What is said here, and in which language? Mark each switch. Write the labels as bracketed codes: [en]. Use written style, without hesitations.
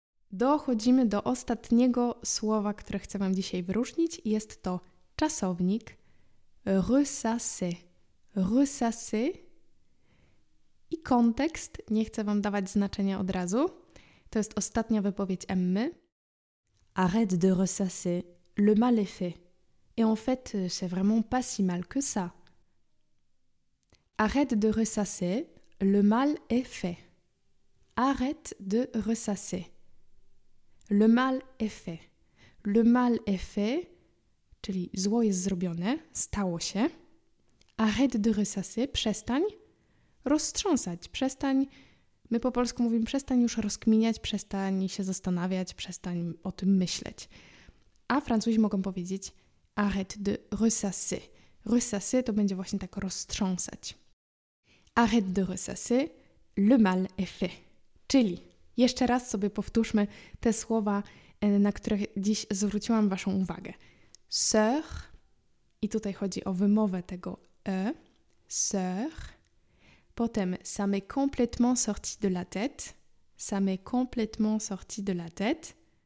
[pl] Dochodzimy do ostatniego słowa, które chcę Wam dzisiaj wyróżnić. Jest to czasownik ressasser. Ressasser. I kontekst, nie chcę Wam dawać znaczenia od razu. To jest ostatnia wypowiedź Emmy. [fr] Arrête de ressasser. Le mal est fait. Et en fait, c'est vraiment pas si mal que ça. Arrête de ressasser. Le mal est fait. Arrête de ressasser. Le mal est fait. Le mal est fait. [pl] Czyli zło jest zrobione, stało się. [fr] Arrête de ressasser. [pl] Przestań roztrząsać. Przestań, my po polsku mówimy, przestań już rozkminiać, przestań się zastanawiać, przestań o tym myśleć. A Francuzi mogą powiedzieć [fr] arrête de ressasser. [pl] Ressasser to będzie właśnie tak roztrząsać. [fr] Arrête de ressasser, le mal est fait. [pl] Czyli jeszcze raz sobie powtórzmy te słowa, na które dziś zwróciłam Waszą uwagę. Sœur, i tutaj chodzi o wymowę tego e, sœur. [fr] Potem ça m'est complètement sorti de la tête. Ça m'est complètement sorti de la tête.